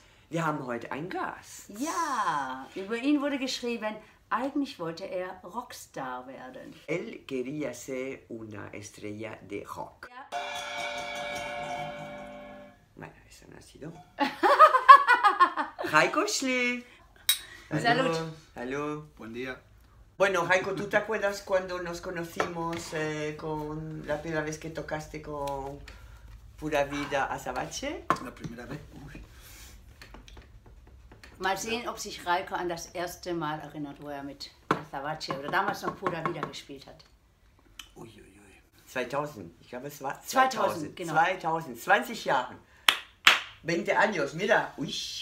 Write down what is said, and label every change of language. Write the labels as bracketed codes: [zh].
[de] Wir haben heute einen Gast. Ja, über ihn wurde geschrieben, eigentlich wollte er Rockstar werden. [es] Él quería ser una estrella de rock. [de] Ja. [es] Bueno, eso no ha sido. Heiko Schlieff. Salud. [de] Hallo. [es] Buen día. Bueno, Heiko, ¿tú te acuerdas cuando nos conocimos con la primera vez que tocaste con Pura Vida Azabache? La primera vez. [de] Mal sehen, ob sich Heiko an das erste Mal erinnert, wo er mit Azabache oder damals noch Pura Vida gespielt hat. Uiuiui. 2000. Ich glaube, es war 2000. 20 Jahre. [es] 20 años, mira. Ui.